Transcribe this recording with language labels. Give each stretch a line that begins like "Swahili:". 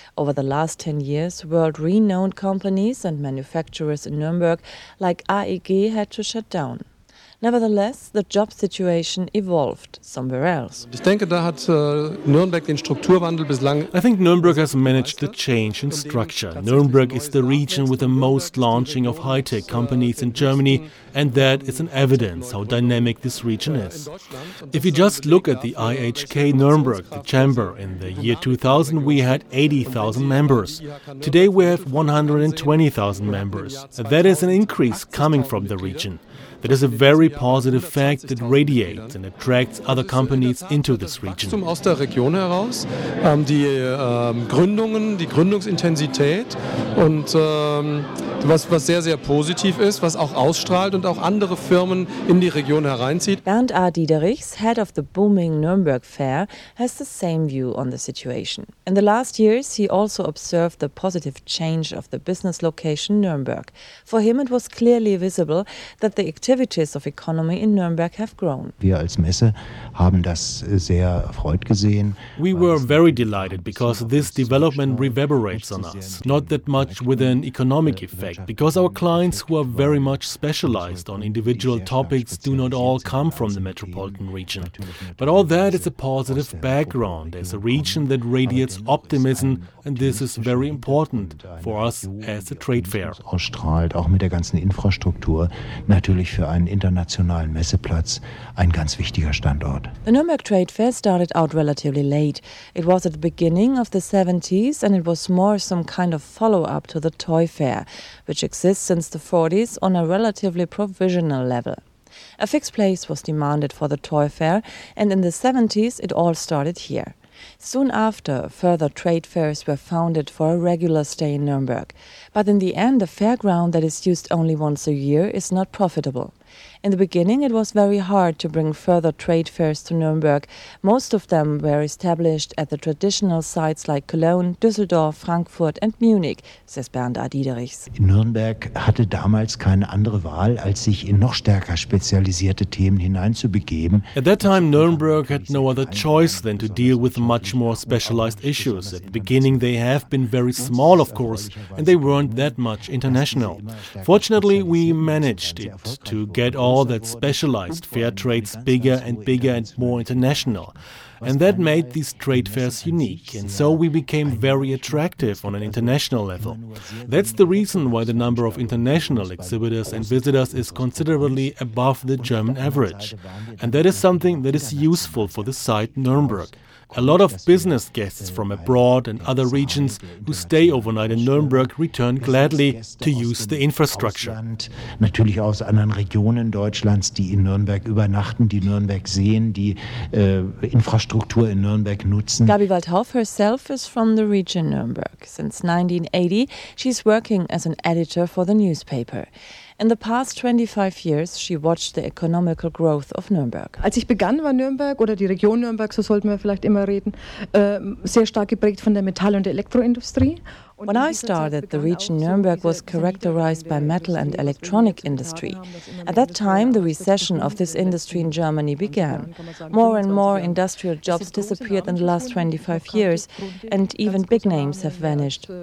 English: Over the last 10 years, world-renowned companies and manufacturers in Nuremberg, like AEG, had to shut down. Nevertheless, the job situation evolved somewhere else.
German: Ich denke, da hat Nürnberg den Strukturwandel bislang.
English: I think Nürnberg has managed the change in structure. Nürnberg is the region with the most launching of high-tech companies in Germany, and that is an evidence how dynamic this region is. If you just look at the IHK Nürnberg, the chamber, in the year 2000 we had 80,000 members. Today we have 120,000 members. That is an increase coming from the region. That is a very positive fact that radiates and attracts other companies into this region.
German: Aus der Region heraus, die Gründungen, die Gründungsintensität und was sehr sehr positiv ist, was auch ausstrahlt und auch andere Firmen in die Region hereinzieht.
English: Bernd A. Diederichs, head of the booming Nürnberg Fair, has the same view on the situation. In the last years, he also observed the positive change of the business location Nürnberg. For him, it was clearly visible that the activities of economy in Nürnberg have grown.
German: Wir als Messe haben das sehr erfreut gesehen.
English: We were very delighted because this development reverberates on us. Not that much with an economic effect, because our clients who are very much specialized on individual topics do not all come from the metropolitan region. But all that is a positive background as a region that radiates optimism, and this is very important for us as a trade fair.
German: Ausstrahlt auch mit der ganzen Infrastruktur natürlich für einen internationalen Messeplatz ein ganz wichtiger Standort.
English: The Nürnberg Trade Fair started out relatively late. It was at the beginning of the 70s and it was more some kind of follow-up to the Toy Fair, which exists since the 40s on a relatively provisional level. A fixed place was demanded for the Toy Fair and in the 70s it all started here. Soon after, further trade fairs were founded for a regular stay in Nürnberg. But in the end, a fairground that is used only once a year is not profitable. In the beginning, it was very hard to bring further trade fairs to Nürnberg. Most of them were established at the traditional sites like Cologne, Düsseldorf, Frankfurt and Munich, says Bernd A. Diederichs.
German: Nürnberg hatte damals keine andere Wahl, als sich in noch stärker spezialisierte Themen hineinzubegeben.
English: At that time, Nürnberg had no other choice than to deal with much more specialized issues. At the beginning, they have been very small, of course, and they weren't that much international. Fortunately, we managed it to get all that specialized fair trades bigger and bigger and more international. And that made these trade fairs unique, and so we became very attractive on an international level. That's the reason why the number of international exhibitors and visitors is considerably above the German average. And that is something that is useful for the site Nürnberg. A lot of business guests from abroad and other regions who stay overnight in Nürnberg return gladly to use the infrastructure.
German: Natürlich aus anderen Regionen Deutschlands, die in Nürnberg übernachten, die Nürnberg sehen, die Infrastruktur in Nürnberg nutzen.
English: Gabi Waldhoff herself is from the region Nürnberg. Since 1980, she's working as an editor for the newspaper. In the past 25 years, she watched the economical growth of Nürnberg.
German: Als ich begann, war Nürnberg oder die Region Nürnberg, so sollten wir vielleicht immer reden, sehr stark geprägt von der Metall- und Elektroindustrie.
English: When I started, the region Nürnberg was characterized by metal and electronic industry. At that time, the recession of this industry in Germany began. More and more industrial jobs disappeared in the last 25 years, and even big names have vanished.